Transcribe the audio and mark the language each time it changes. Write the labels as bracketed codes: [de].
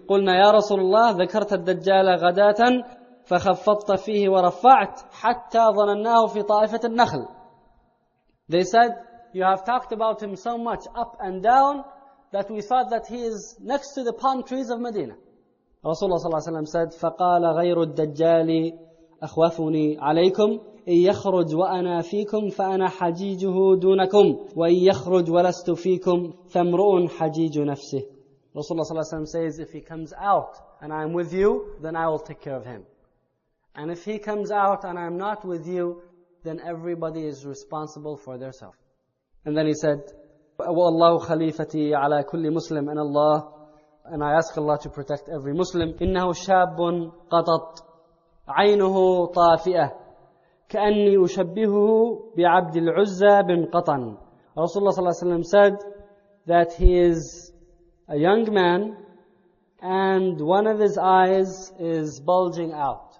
[ar] قُلْنَا يَا رَسُولُ اللَّهِ ذَكَرْتَ الدَّجَّالَ غَدَاتًا فَخَفَّضْتَ فِيهِ وَرَفَّعْتَ حَتَّى ظَنَنَّاهُ فِي طَائِفَةِ النَّخْلِ. [en] They said, you have talked about him so much up and down that we thought that he is next to the palm trees of Medina. Rasulullah ﷺ said, [ar] فَقَالَ غَيْرُ الدَّجَّالِ أَخْوَفُنِي عَلَيْكُمْ إِنْ يَخْرُجْ وَأَنَا فِيكُمْ فَأَنَا حَجِيجُهُ دُونَكُمْ وَإِنْ يَخْرُجْ وَلَسْتُ فِيكُمْ فَامْرُؤٌ حَجِيجُ نَفْسِهِ. [en] Rasulullah ﷺ says, if he comes out and I'm with you, then I will take care of him. And if he comes out and I'm not with you, then everybody is responsible for their self. And then he said, [ar] وَاللَّهُ خَلِيفَتِي عَلَىٰ كُلِّ مُسْلِمٍ. [en] And Allah, and I ask Allah to protect every Muslim. [ar] إِنَّهُ شَابٌ قَطَطْ عَيْنُهُ طَافِئَةٌ كَأَنِّي أُشَبِّهُهُ بِعَبْدِ الْعُزَّى بِنْ قَطَنْ. [en] Rasulullah ﷺ said that he is a young man and one of his eyes is bulging out.